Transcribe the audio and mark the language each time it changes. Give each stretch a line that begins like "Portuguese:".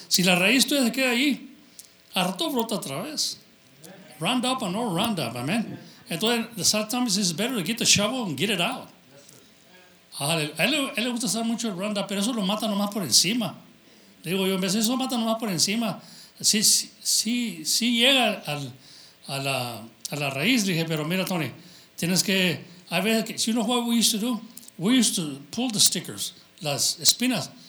Spanish: Si la raíz todavía se queda ahí, al rato brota otra vez.
English: Roundup or no Roundup, amen.
Spanish: Entonces,
English: sometimes it's better to get the shovel and get it out.
Spanish: A él le gusta usar mucho el Roundup, pero eso lo mata nomás por encima. Le digo yo, en vez de eso lo mata nomás por encima. Sí llega a la raíz, le dije, pero mira, Tony, tienes que, a veces,
English: you know what we used to do? We used to pull the stickers,
Spanish: las espinas,